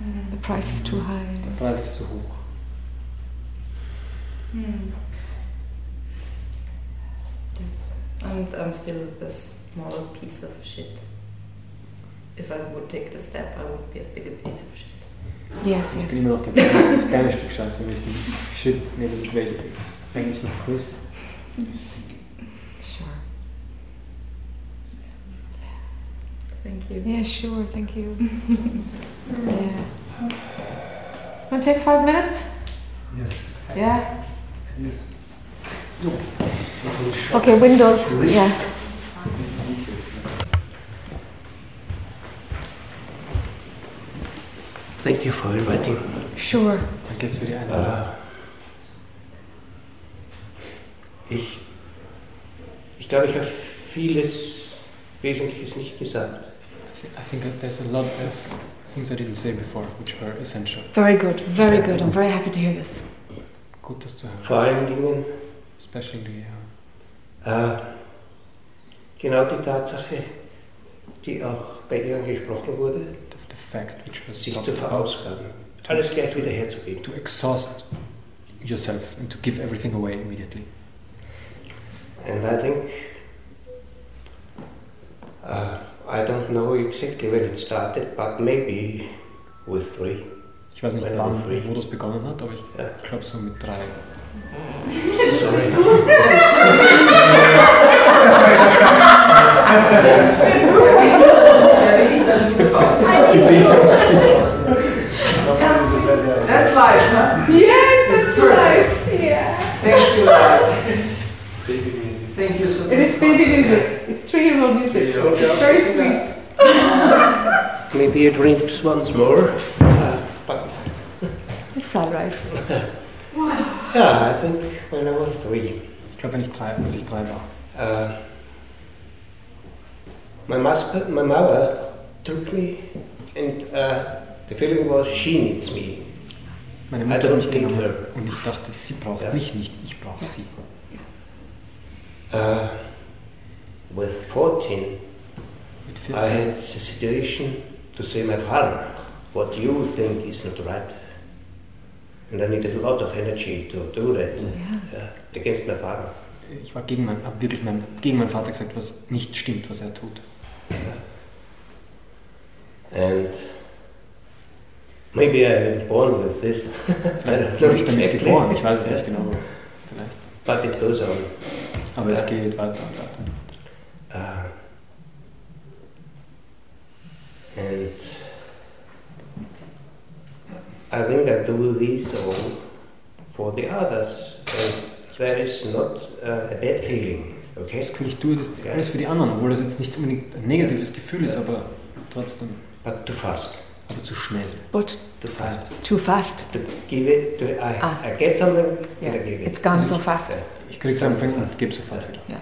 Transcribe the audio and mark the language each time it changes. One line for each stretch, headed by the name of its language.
English: The price is too high.
German: Der Preis ist zu hoch.
English: Yes. And I'm still a small piece of shit. If I would take the step, I would be a bigger piece of shit. Yes.
German: Ich bin immer noch das kleine Stück Scheiße, wenn ich den Shit nehme, dann wäre ich eigentlich noch größer.
English: Sure. Thank you. Yeah, sure, thank you. Yeah. Want to take 5 minutes? Yes. Yeah? Yes. Okay, windows. Yeah. Thank you for inviting. Sure.
German: Danke für die Einladung. Ich glaube, ich habe vieles Wesentliches nicht gesagt.
English: I think that there's a lot of things I didn't say before, which were essential. Very good, very good. I'm very happy to hear this.
German: Gut, das zu hören. Vor allen Dingen.
English: Especially, ja.
German: Genau die Tatsache, die auch bei Ihnen gesprochen wurde,
English: the fact which was
German: sich zu verausgaben, alles gleich wieder herzugeben.
English: To exhaust yourself and to give everything away immediately. And I think, I don't know exactly when it started, but maybe with 3.
German: Ich weiß nicht, wann, wo das begonnen hat, aber ich glaube so mit 3.
English: Sorry. That's life, huh? Yes, that's life. Yeah. Thank you, life. Baby music. Thank you so much. And it's baby music. It's 3-year-old music. Very sweet. Maybe a drink just once more. It's all right. Yeah, I think when I was 3.
German: Ich glaube, wenn ich 3, muss ich 3 war.
English: My mother took me, and the feeling was she needs me.
German: Meine Mutter hat mich genommen und ich dachte, sie braucht mich nicht, ich brauche sie.
English: With 14,
German: mit 14,
English: I had the situation to say, my father, what you think is not right. And I needed a lot of energy to do that. Yeah. Against my father.
German: Ich war gegen mein, hab wirklich mein, gegen meinen Vater gesagt, was nicht stimmt, was er tut.
English: And maybe I'm born with this.
German: Vielleicht bin ich geboren, ich weiß es nicht genau. Vielleicht.
English: But it goes on.
German: Aber es geht weiter und weiter.
English: And I think I do this all for the others. There is not a bad feeling. Okay?
German: Das kann ich tun, das ist alles für die anderen, obwohl das jetzt nicht unbedingt ein negatives Gefühl ist, aber trotzdem.
English: But too fast.
German: Aber zu schnell.
English: But too fast. Too fast. To give it, to I get something, and I give it. It's gone so fast.
German: Ich krieg's am Anfang und gebe sofort wieder.